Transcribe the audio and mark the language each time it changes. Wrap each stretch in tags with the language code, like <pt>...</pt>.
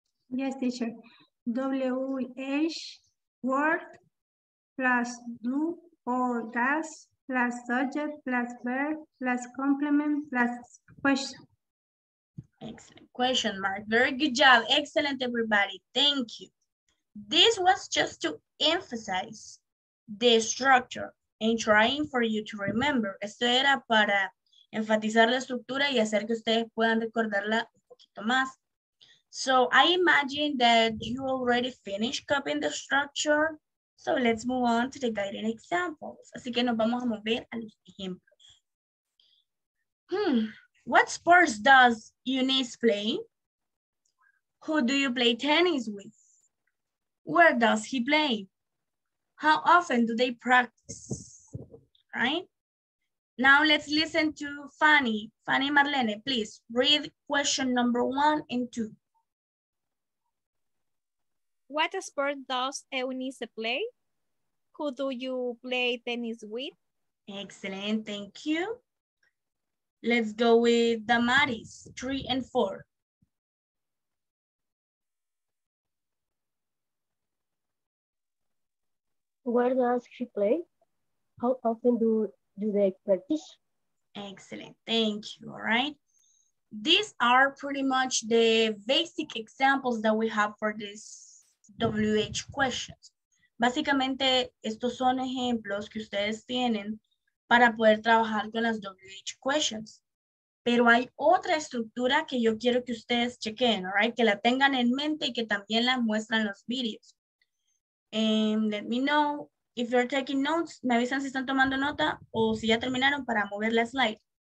<en>Yes, teacher. WH word plus do or does plus subject plus verb plus complement plus question. Excellent. Question mark. Very good job. Excellent, everybody. Thank you. This was just to emphasize the structure and trying for you to remember.</en> <es>Esto era para enfatizar la estructura y hacer que ustedes puedan recordarla un poquito más.</es> <en>So I imagine that you already finished copying the structure. So let's move on to the guiding examples.</en> <es>Así que nos vamos a mover a los ejemplos.</es> <en>What sports does Eunice play? Who do you play tennis with? Where does he play? How often do they practice? Right? Now let's listen to Fanny. Fanny Marlene, please read question number 1 and 2. What sport does Eunice play? Who do you play tennis with? Excellent, thank you. Let's go with Damaris, 3 and 4. Where does she play? How often do they practice? Excellent, thank you, all right. These are pretty much the basic examples that we have for this WH questions.</en> <es>Básicamente, estos son ejemplos que ustedes tienen para poder trabajar con las WH questions. Pero hay otra estructura que yo quiero que ustedes chequen,</es> <en>all right?</en> <es>Que la tengan en mente y que también la muestran los videos.</es> <en>Let me know if you're taking notes.</en> <es>Me avisan si están tomando nota o si ya terminaron para mover la slide.</es>